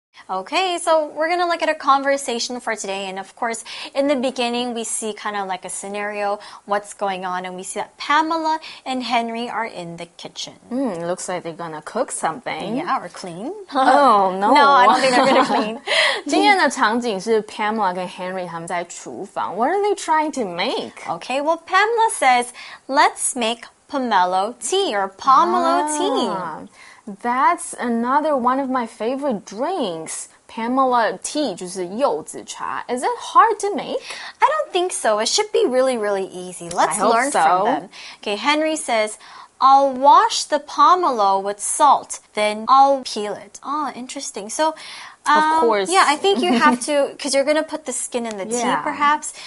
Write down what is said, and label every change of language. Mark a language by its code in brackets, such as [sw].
[en] Okay, so we're gonna look at a conversation for today. And of course, in the beginning, we see kind of like a scenario, what's going on. And we see that Pamela and Henry are in the kitchen. Looks like they're gonna cook something. Yeah, or clean. Oh, no. No, I don't think they're gonna clean. [zh] 今天的场景是 Pamela 跟 Henry 他们在厨房。 [en] What are they trying to make? Okay, well, Pamela says, let's make pomelo tea or pomelo tea. That's another one of my favorite drinks. [zh] Pamela tea, 就是柚子茶. [en] Is it hard to make? I don't think so. It should be really, really easy. Let's I hope learn so. From them. Okay, Henry says, I'll wash the pomelo with salt, then I'll peel it. Oh, interesting. So, Of course. Yeah, I think you have to, because you're going to put the skin in the tea, perhaps.